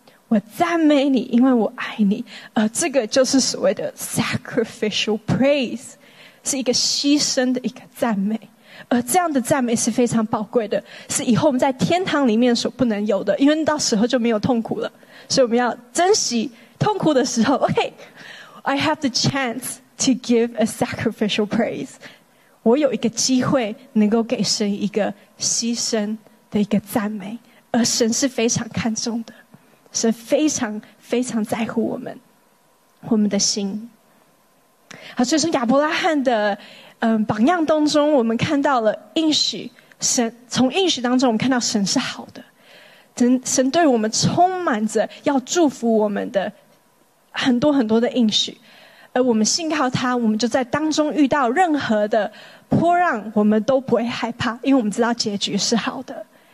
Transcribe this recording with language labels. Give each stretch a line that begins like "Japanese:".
Chinese: 我赞美你，因为我爱你。这个就是所谓的 sacrificial praise， 是一个牺牲的一个赞美。而这样的赞美是非常宝贵的，是以后我们在天堂里面所不能有的，因为到时候就没有痛苦了。所以我们要珍惜痛苦的时候。
English: OK， I have the chance to give a sacrificial praise，
Chinese: 我有一个机会能够给神一个牺牲的一个赞美，而神是非常看重的，神非常非常在乎我们，我们的心。好，所以从亚伯拉罕的榜样当中，我们看到了应许神，从应许当中我们看到神是好的，神对我们充满着要祝福我们的很多很多的应许，而我们信靠他，我们就在当中遇到任何的波浪我们都不会害怕，因为我们知道结局是好的。